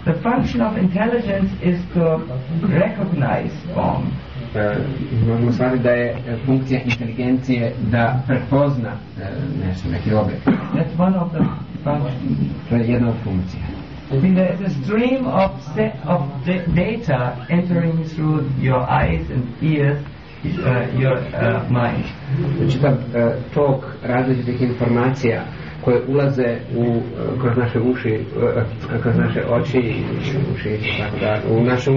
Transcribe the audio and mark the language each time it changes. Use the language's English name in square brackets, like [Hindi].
[English] The function of intelligence is to recognize form. [Croatian] Možemo shvatiti da je funkcija inteligencije da prepozna nešto, neki objekt. [English] That's one of the functions. [Croatian] To je jedna od funkcija. [English] The stream of set of data entering through your eyes and ears. Your mind. [Croatian] Čitav tok različitih informacija koje ulaze u kroz naše uši, kroz naše oči, uši, tako da, u naš um.